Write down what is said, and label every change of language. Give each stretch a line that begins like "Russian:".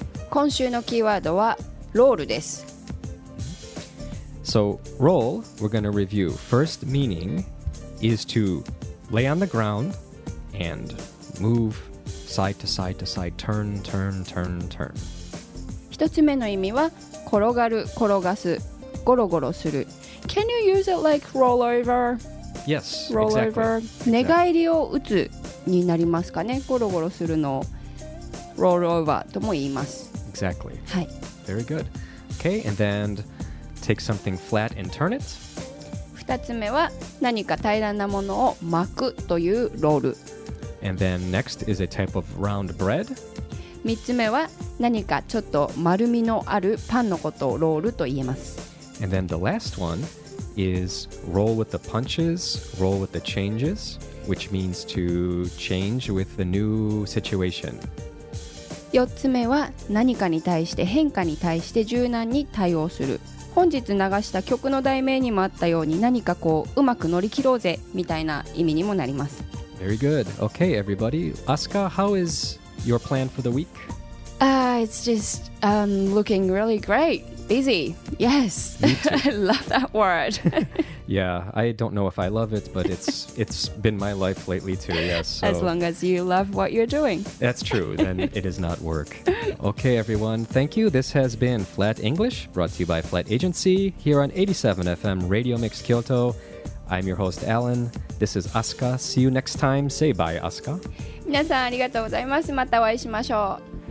Japanese: 今週のキーワードはロールです。
English: So, roll, we're going to review. First meaning is to lay on the ground and move side to side to side. Turn.
Japanese: 一つ目の意味は転がる、転がす、ゴロゴロする。
English: Can you use it like roll over? Yes, roll exactly. Over.
Japanese: 寝返りを打つになりますかね。ゴロゴロするのを
English: roll over
Japanese: とも言います。
English: Exactly.
Japanese: はい。
English: Very good. Okay, and then take something flat and turn it.
Japanese: 二つ目は何か平らなものを巻くというロール。
English: And then next is a type of round bread.
Japanese: 3つ目は何かちょっと丸みのあるパンのことをロールと言えます。
English: And then the last one is roll with the punches, roll with the changes, which means to change with the new situation.
Japanese: 4つ目は何かに対して変化に対して柔軟に対応する。本日流した曲の題名にもあったように何かこううまく乗り切ろうぜみたいな意味にもなります。
English: Very good. Okay, everybody. Asuka, how isyour plan for the week? It's just looking really great. Busy. Yes. I love that word. Yeah, I don't know if I love it, but it's been my life lately too, yes. So. As long as you love what you're doing. That's true. Then it is not work. Okay, everyone. Thank you. This has been Flat English, brought to you by Flat Agency, here on 87FM Radio Mix Kyoto. I'm your host, Alan. This is Asuka. See you next time. Say bye, Asuka.
Japanese: 皆さんありがとうございます。またお会いしましょう。